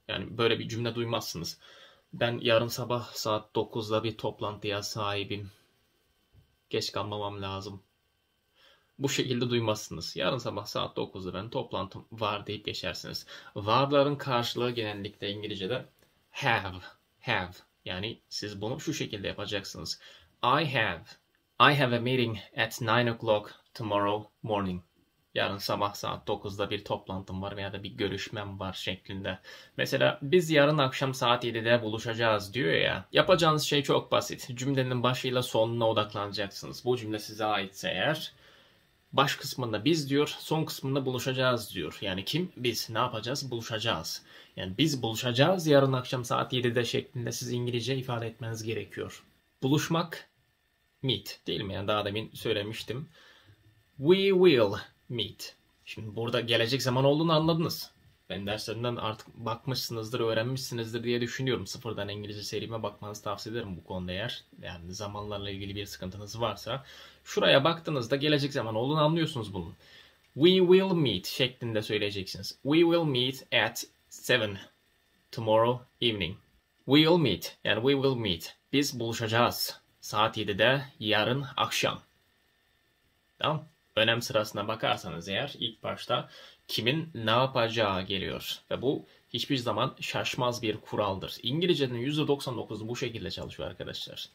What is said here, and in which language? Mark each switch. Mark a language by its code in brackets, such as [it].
[tr] Yani böyle bir cümle duymazsınız. Ben yarın sabah saat 9'da bir toplantıya sahibim. Geç kalmamam lazım. Bu şekilde duymazsınız. Yarın sabah saat 9'da ben toplantım var deyip geçersiniz. Varların karşılığı genellikle İngilizce'de have. Yani siz bunu şu şekilde yapacaksınız. [en] I have a meeting at 9 o'clock tomorrow morning. [tr] Yarın sabah saat 9'da bir toplantım var veya da bir görüşmem var şeklinde. Mesela biz yarın akşam saat 7'de buluşacağız diyor ya. Yapacağınız şey çok basit. Cümlenin başıyla sonuna odaklanacaksınız. Bu cümle size aitse eğer. Baş kısmında biz diyor, son kısmında buluşacağız diyor. Yani kim? Biz. Ne yapacağız? Buluşacağız. Yani biz buluşacağız yarın akşam saat 7'de şeklinde siz İngilizce ifade etmeniz gerekiyor. Buluşmak, meet değil mi? Yani daha demin söylemiştim. [en] We will meet. [tr] Şimdi burada gelecek zaman olduğunu anladınız. Ben derslerinden artık bakmışsınızdır, öğrenmişsinizdir diye düşünüyorum. Sıfırdan İngilizce serime bakmanızı tavsiye ederim bu konuda eğer. Yani zamanlarla ilgili bir sıkıntınız varsa. Şuraya baktığınızda gelecek zaman olduğunu anlıyorsunuz bunun. [en] We will meet [tr] şeklinde söyleyeceksiniz. [en] We will meet at 7 tomorrow evening. We will meet. [tr] Yani [en] we will meet. [tr] Biz buluşacağız. Saat 7'de yarın akşam. Tamam. önem sırasına bakarsanız eğer ilk başta kimin ne yapacağı geliyor. Ve bu hiçbir zaman şaşmaz bir kuraldır. İngilizcenin %99'u bu şekilde çalışıyor arkadaşlar.